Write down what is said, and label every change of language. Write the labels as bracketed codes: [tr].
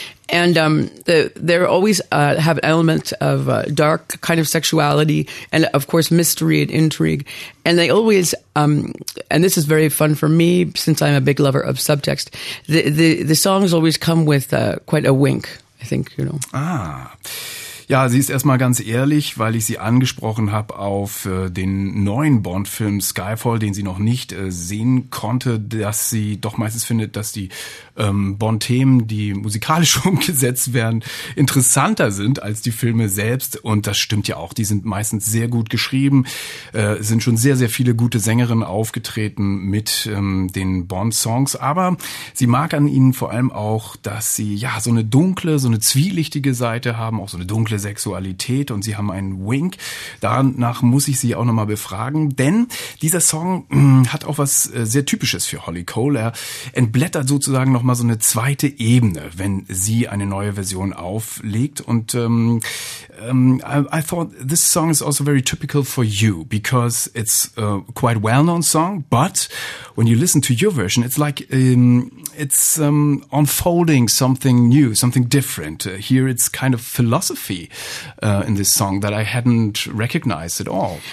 [en] And they're always have an element of dark kind of sexuality and, of course, mystery and intrigue. And they always, and this is very fun for me since I'm a big lover of subtext, the songs always come with quite a wink, I think, you know. [de] Ah, ja, sie ist erstmal ganz ehrlich, weil ich sie angesprochen habe auf den neuen Bond-Film Skyfall, den sie noch nicht sehen konnte, dass sie doch meistens findet, dass die Bond-Themen, die musikalisch umgesetzt werden, interessanter sind als die Filme selbst. Und das stimmt ja auch. Die sind meistens sehr gut geschrieben. Es sind schon sehr, sehr viele gute Sängerinnen aufgetreten mit den Bond-Songs. Aber sie mag an ihnen vor allem auch, dass sie ja so eine dunkle, so eine zwielichtige Seite haben, auch so eine dunkle Sexualität, und sie haben einen Wink. Danach muss ich sie auch nochmal befragen, denn dieser Song hat auch was sehr Typisches für Holly Cole. Er entblättert sozusagen nochmal so eine zweite Ebene, wenn sie eine neue Version auflegt. [en] Und I thought this song is also very typical for you, because it's a quite well-known song, but when you listen to your version, it's like it's unfolding something new, something different. Here it's kind of philosophy in this song that I hadn't recognized at all.